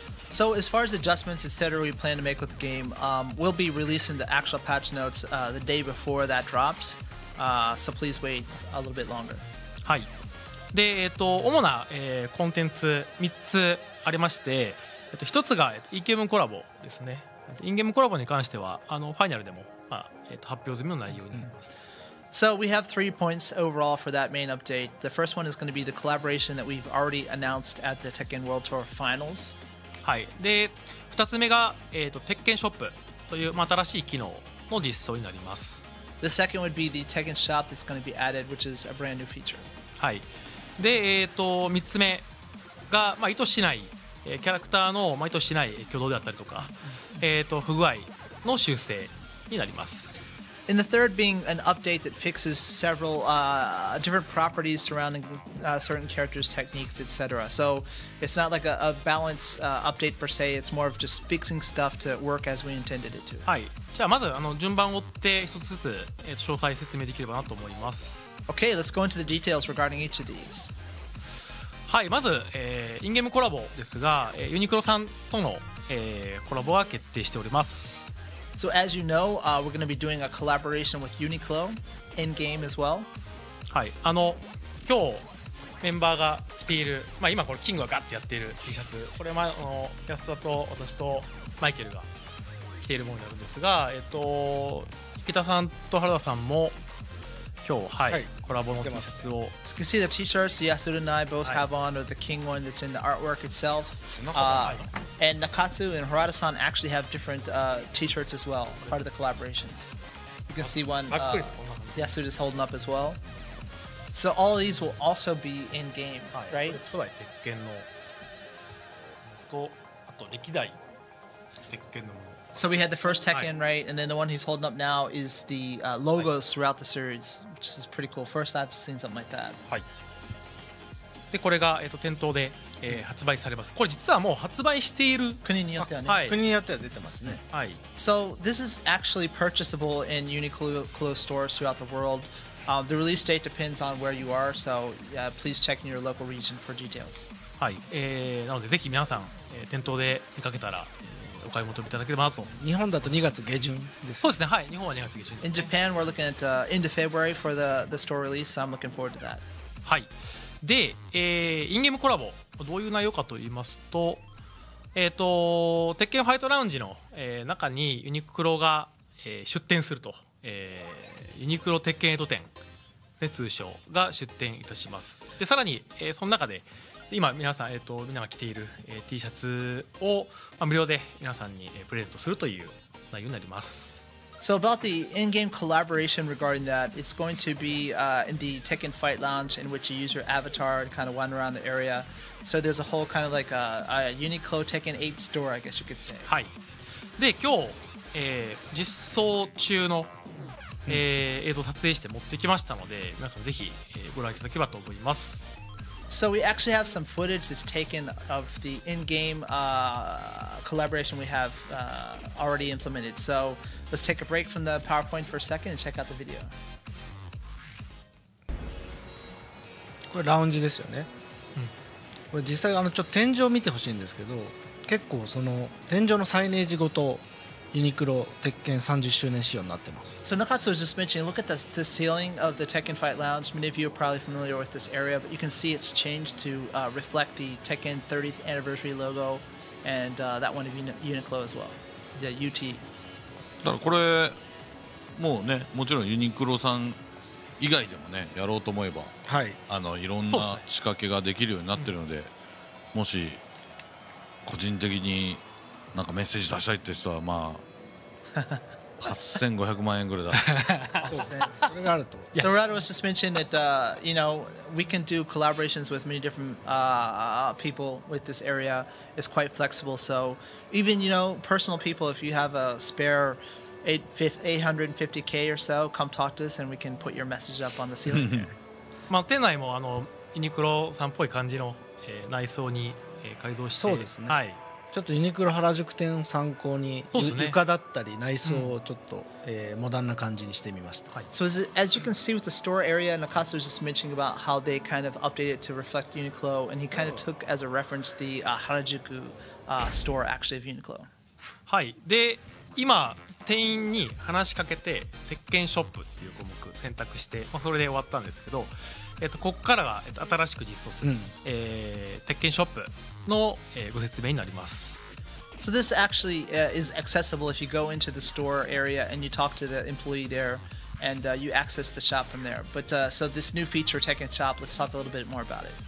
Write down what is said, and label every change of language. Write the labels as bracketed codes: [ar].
[en] So as far as adjustments, etc. we plan to make with the game, we'll be releasing the actual patch notes the day before that drops. So please wait a little bit longer. [ja] はい。で、主な、コンテンツ3つありまして、1つが、イケメンコラボですね。インゲームコラボに関してはあのファイナルでも、まあ発表済みの内容になります。うん、 [en] So we have three points overall for that main update. The first one is going to be the collaboration that we've already announced at the Tekken World Tour Finals. [ja] はい。で、2つ目が、Tekken Shop という、まあ、新しい機能の実装になります。 [en] The second would be the Tekken Shop that's going to be added, which is a brand new feature. [ja] はい。で、3つ目が、まあ、意図しない、キャラクターの、まあ、意図しない挙動であったりとか、不具合の修正になります。 [en] And the third being an update that fixes several different properties surrounding certain characters, techniques, etc. So it's not like a balance update per se. It's more of just fixing stuff to work as we intended it to. [ja] はい。じゃあまずあの順番を追って一つずつ詳細説明できればなと思います。 [en] Okay, let's go into the details regarding each of these. [ja] はい。まず、インゲームコラボですが、ユニクロさんとの、コラボが決定しております。 [en] So as you know, we're going to be doing a collaboration with Uniqlo in game as well. [ja] はい、あの今日メンバーが着ている、まあ今これキングがガッてやっている T シャツ、これまあの安田と私とマイケルが着ているものになるんですが、池田さんと原田さんも今日、はい、はい、コラボの T シャツを。 [en] So you see the T-shirts Yasuda and I both have on, or the King one that's in the artwork itself. And Nakatsu and Harada-san actually have different T-shirts as well, part of the collaborations. You can see one Yasuda is holding up as well. So all of these will also be in-game, right? [ja] そうだ、鉄拳のと、あと歴代鉄拳のもの。 [en] So we had the first Tekken, right? And then the one he's holding up now is the logos throughout the series, which is pretty cool. First I've seen something like that. [ja] はい。で、これが、店頭で、発売されます。これ実はもう発売している国によってはね。はい。国によっては出てますね。はい。 [en] So this is actually purchasable in Uniqlo stores throughout the world. The release date depends on where you are, so please check in your local region for details. [ja] はい。なので、ぜひ皆さん、店頭で見かけたら、お買い求めいただければなと。日本だと2月下旬です。そうですね、はい、日本は2月下旬です、ね。 [en] In Japan, we're looking at end of February for the store release, so I'm looking forward to that. [ja] はい。で、インゲームコラボ、どういう内容かと言いますと、鉄拳ファイトラウンジの、中にユニクロが、出店すると、ユニクロ鉄拳エイト店、通称が出店いたします。で、さらに、その中で、今皆さん、みんなが着ている、T シャツを、まあ、無料で皆さんに、プレゼントするという内容になります。 [en] So about the in-game collaboration regarding that, it's going to be in the Tekken Fight Lounge in which you use your avatar to kind of wander around the area. So there's a whole kind of like a Uniqlo Tekken 8 store, I guess you could say. [ja] はい。で、今日、実装中の、映像を撮影して持ってきましたので、皆さんぜひ、ご覧いただければと思います。 [en] So we actually have some footage that's taken of the in-game collaboration we have already implemented. So let's take a break from the PowerPoint for a second and check out the video. [ja] これラウンジですよね。うん、これ実際あのちょっと天井を見てほしいんですけど、結構その天井のサイネージごとユニクロ鉄拳30周年仕様になってます。 [en] So Nakatsu was just mentioning, look at the ceiling of the Tekken Fight Lounge. Many of you are probably familiar with this area, but you can see it's changed to reflect the Tekken 30th anniversary logo and that one of Uniqlo as well. The UT. [ja] だからこれもうね、もちろんユニクロさん以外でもね、やろうと思えば、はい、あのいろんな仕掛けができるようになってるので、もし個人的になんかメッセージ出したいって人はまあ8500万円ぐらいだ。それがあると。 [en] So Rado was just mentioning that you know, we can do collaborations with many different people with this area. It's quite flexible. So even you know, personal people, if you have a spare 850k or so, come talk to us and we can put your message up on the ceiling. [ja] まあ店内もあのユニクロさんっぽい感じの、内装に、改造して。そうですね。はい。ちょっとユニクロ原宿店を参考に、そうですね、床だったり内装をちょっと、うん、モダンな感じにしてみました。はい。 [en] So as you can see with the store area, Nakatsu was just mentioning about how they kind of updated to reflect Uniqlo, and he kind of took as a reference the Harajuku store actually of Uniqlo. [ja] はい。で、今店員に話しかけて鉄拳ショップっていう項目選択して、まあ、それで終わったんですけど、ここからが新しく実装する、うん、鉄拳ショップの、ご説明になります。 [en] So this actually is accessible if you go into the store area and you talk to the employee there and you access the shop from there. But so this new feature, Tekken Shop, let's talk a little bit more about it.